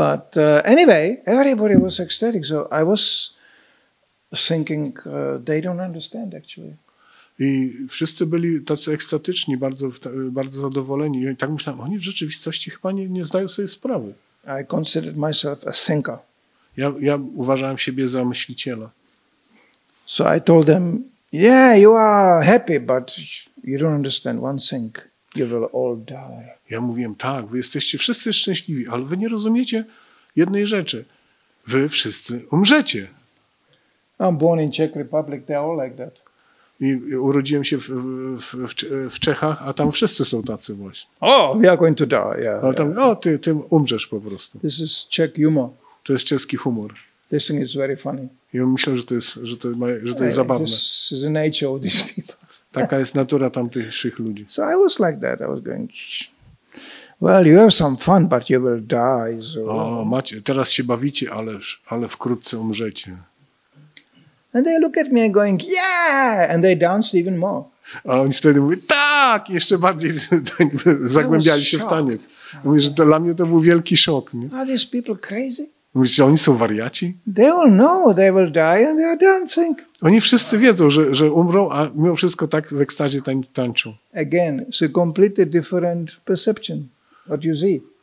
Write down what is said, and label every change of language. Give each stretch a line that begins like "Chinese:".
English: But anyway, everybody was ecstatic, so I was thinking they don't understand actually.
Polish: I wszyscy byli tacy ekstatyczni, bardzo bardzo zadowoleni. I tak myślałem, oni w rzeczywistości chyba nie zdają sobie sprawy.
English: I considered myself a thinker.
Polish: Ja uważałem siebie za myśliciela.
English: So I told them, yeah, you are happy, but you don't understand one thing. You will all die.
Polish: Ja mówiłem, tak, wy jesteście wszyscy szczęśliwi, ale wy nie rozumiecie jednej rzeczy. Wy wszyscy umrzecie.
English: I'm born in Czech Republic, they are all like that.
Polish: I urodziłem się w Czechach, a tam wszyscy są tacy właśnie.
English: Oh, we are going to die, yeah.
Polish: A tam, ty umrzesz po prostu.
English: This is Czech humor.
Polish: To jest czeski humor.
English: This thing is very funny.
Polish: I myślę, że to jest zabawne.
English: This is the nature of these people.
Polish: Taka jest natura tamtejszych ludzi.
English: So I was like that. I was going, well, you have some fun, but you will die. So.
Polish: O, macie, teraz się bawicie, ale wkrótce umrzecie.
English: And they look at me and going, yeah! And they danced even more.
Polish: A oni wtedy mówią, tak! Jeszcze bardziej zagłębiali się w taniec. Mówię, że dla mnie to był wielki szok. Nie?
English: Are these people crazy?
Polish: Mówisz, że oni są wariaci?
English: They all know they will die and they are dancing.
Polish: Oni wszyscy wiedzą, że umrą, a mimo wszystko tak w ekstazie tańczą.
English: Again, it's a completely different perception, what you see.